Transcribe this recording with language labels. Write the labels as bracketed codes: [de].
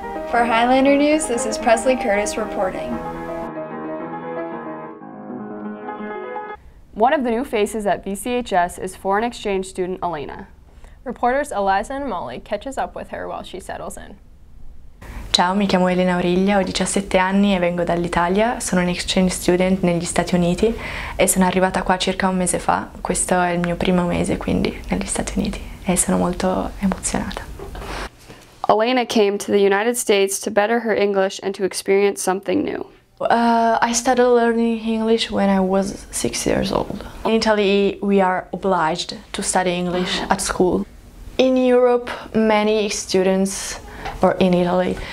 [en] For Highlander News, this is Presley Curtis reporting. One of the new faces at VCHS is foreign exchange student Elena. Reporters Eliza and Molly catches up with her while she settles in. [it] Ciao, mi chiamo Elena Origlia, ho 17 anni e vengo dall'Italia. Sono un exchange student negli Stati Uniti e sono arrivata qua circa un mese fa. Questo è il mio primo mese, quindi, negli Stati Uniti. E sono molto emozionata. [en] Elena came to the United States to better her English and to experience something new. I started learning English when I was 6 years old. In Italy, we are obliged to study English at school. In Europe, many students or in Italy.